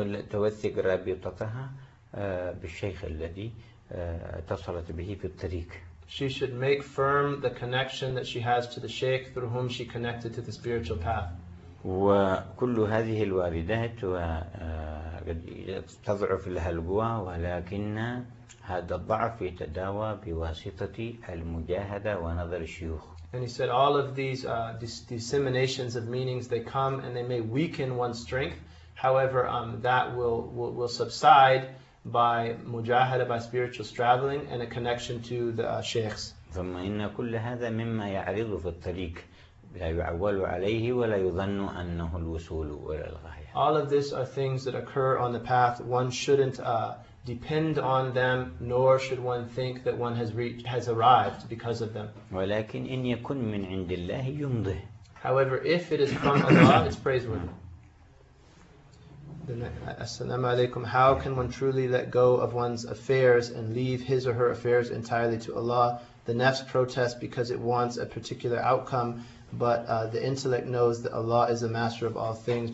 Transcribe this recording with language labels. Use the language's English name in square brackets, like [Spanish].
[Arabic] توثق رابطتها بالشيخ الذي اتصلت به في الطريق. [English] She should make firm the connection that she has to the Shaykh through whom she connected to the spiritual path. [Arabic] وكل هذه الواردات قد تضعف لها القوى ولكن هذا الضعف يتداوى بواسطة المجاهدة ونظر الشيوخ. [English] And he said all of these disseminations of meanings, they come and they may weaken one's strength. However, that will subside by mujahada, by spiritual straddling, and a connection to the sheikhs. [Arabic] ثم إن كل هذا مما يعرض في الطريق لا يعول عليه ولا يظن أنه الوصول إلى الغاية. [English] All of these are things that occur on the path. One shouldn't depend on them, nor should one think that one has arrived because of them. [Arabic] ولكن إن يكون من عند الله يمضي. [English] However, if it is from Allah, it's praiseworthy. As-salamu alaykum. How can one truly let go of one's affairs and leave his or her affairs entirely to Allah? The nafs protests because it wants a particular outcome, but the intellect knows that Allah is the master of all things.